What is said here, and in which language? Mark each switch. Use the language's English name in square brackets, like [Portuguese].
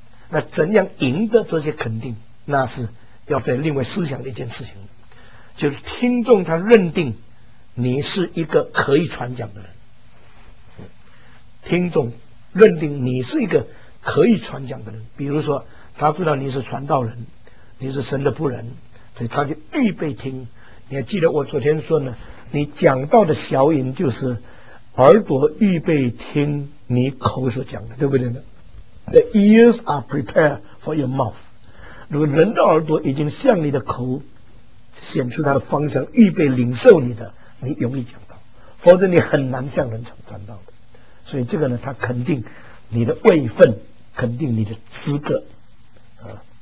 [Chinese] 那怎样赢得这些肯定，那是要在另外思想的一件事情，就是听众他认定你是一个可以传讲的人，听众认定你是一个可以传讲的人，比如说他知道你是传道人，你是神的仆人，所以他就预备听。你还记得我昨天说呢，你讲到的小隐就是耳朵预备听你口所讲的，对不对呢？ [English] The ears are prepared for your mouth。 [Chinese] 如果人的耳朵已经向你的口显出它的方向，预备领受你的，你容易讲到，否则你很难向人传道的。所以这个呢，它肯定你的位分，肯定你的资格啊。